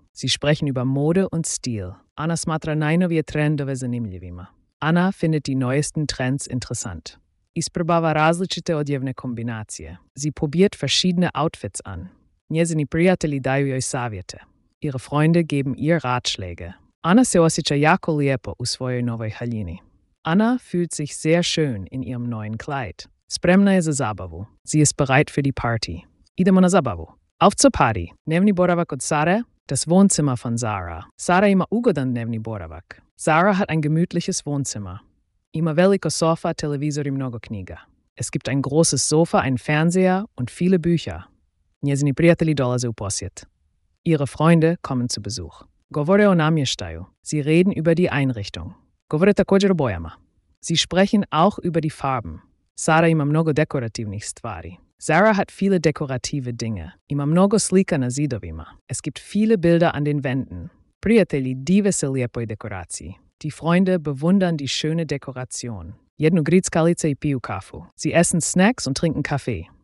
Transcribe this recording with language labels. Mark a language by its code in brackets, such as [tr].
[de] Sie sprechen über Mode und Stil. [hr] Anna smatra najnovije trendove zanimljivima. [de] Anna findet die neuesten Trends interessant. [hr] Isprobava različite odjevne kombinacije. [de] Sie probiert verschiedene Outfits an. [hr] Njezini prijatelji daju joj savjete. [de] Ihre Freunde geben ihr Ratschläge. [hr] Anna se osjeća jako lijepo u svojoj novoj haljini. [de] Anna fühlt sich sehr schön in ihrem neuen Kleid. [hr] Spremna je za zabavu. [de] Sie ist bereit für die Party. [hr] Idemo na zabavu. [de] Auf zur Party. [hr] Dnevni boravak od Sare. [de] Das Wohnzimmer von Sara. [hr] Sara ima ugodan dnevni boravak. [de] Sara hat ein gemütliches Wohnzimmer. [hr] Ima veliko sofa, televizor i mnogo knjiga. [de] Es gibt ein großes Sofa, ein Fernseher und viele Bücher. [hr] Njezini prijatelji dolaze u posjet. [de] Ihre Freunde kommen zu Besuch. [hr] Govore o namještaju. [de] Sie reden über die Einrichtung. [hr] Govore također o bojama. [de] Sie sprechen auch über die Farben. [hr] Sara ima mnogo dekorativnih stvari. [de] Sara hat viele dekorative Dinge. [hr] Ima mnogo slika na zidovima. [de] Es gibt viele Bilder an den Wänden. [hr] Prijatelji dive se lijepoj dekoraciji. [de] Die Freunde bewundern die schöne Dekoration. [hr] Jednu grickalice i piju kafu. [de] Sie essen Snacks und trinken Kaffee.